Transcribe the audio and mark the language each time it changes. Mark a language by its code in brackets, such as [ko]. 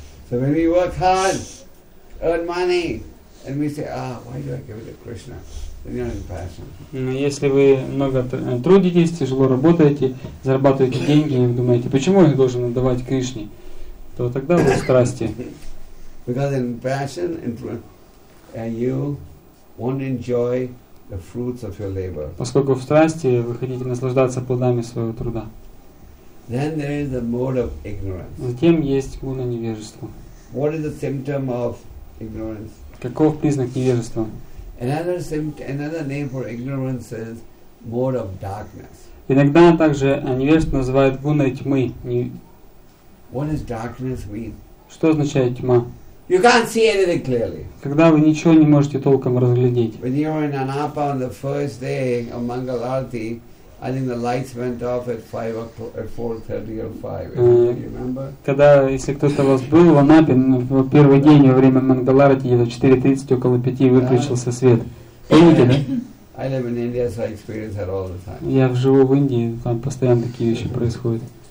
[en] So when we work hard, earn money. And we say, ah, why do I give it to Krishna? Then you're in passion. [ru] Но если вы много трудитесь, тяжело работаете, зарабатываете деньги, и вы думаете, почему я должен отдавать Кришне, то тогда вы в страсти. [en] Because in passion, you won't enjoy the fruits of your labor. [ru] Поскольку в страсти вы хотите наслаждаться плодами своего труда. [en] Then there is the mode of ignorance. [ru] Затем есть гуна невежества. [en] What is the symptom of ignorance? [ru] Каков признак невежества? [en] Another name for ignorance is mode of darkness. [ru] Иногда также невежество называют гуной тьмы. [en] What does darkness mean? [ru] Что означает тьма? [en] You can't see anything clearly. [ru] Когда вы ничего не можете толком разглядеть. [en] When you were in Anapa on the first day of Mangal Arati, I think the lights went off at 4:30 or 5. Do you remember? [ru] Когда, если кто-то вас был в Анапе в первый день во время Мангал Арати, где-то 4:30 около 5 выключился свет. Помните, да? [en] I live in India, so I experience that all the time. [ru] Я живу в Индии, там постоянно такие вещи происходят.